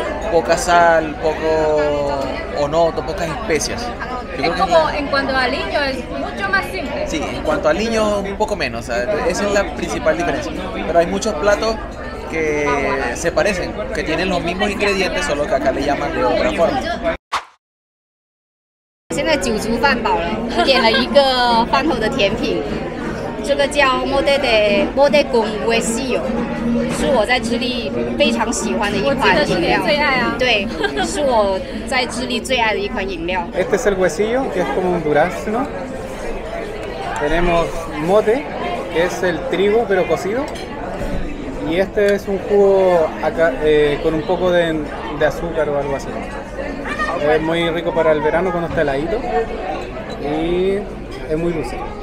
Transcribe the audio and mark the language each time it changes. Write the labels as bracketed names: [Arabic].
[Spanish] poca sal, poco o no, pocas especias. Yo es como tenía... en cuanto al aliño es mucho más simple. Sí, en cuanto al aliño un poco menos, ¿sabes? Esa es la principal diferencia. Pero hay muchos platos que se parecen, que tienen los mismos ingredientes, solo que acá le llaman de otra forma. [Chinese] 现在酒足饭饱了，我点了一个饭后的甜品，这个叫莫德的莫德贡威西油，是我在智利非常喜欢的一款饮料。我记得是你最爱啊。对，是我在智利最爱的一款饮料。 [Spanish] Este es el huesillo, que es como un durazno. Tenemos mote, que es el trigo pero cocido, y este es un jugo acá, con un poco de azúcar o algo así. Es muy rico para el verano cuando está heladito y es muy dulce.